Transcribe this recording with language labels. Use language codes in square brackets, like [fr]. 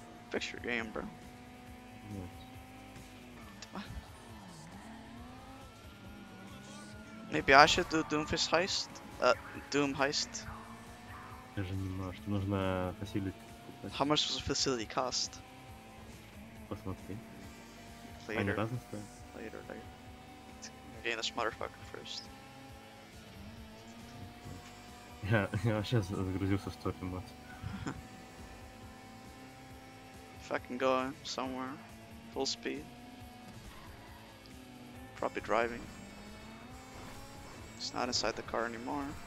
[en] Fix your game, bro. [ru] Нет. [en] Maybe I should do Doomfist heist? Doom heist? [ru] Я же не знаю, что нужно facility. [en] How much does a facility cost? [ru] Посмотри. [en] Later. Later, later. Gain this motherfucker first. [ru] Я вообще загрузился в топе, мать. [en] If I can go somewhere, full speed. Probably driving. It's not inside the car anymore.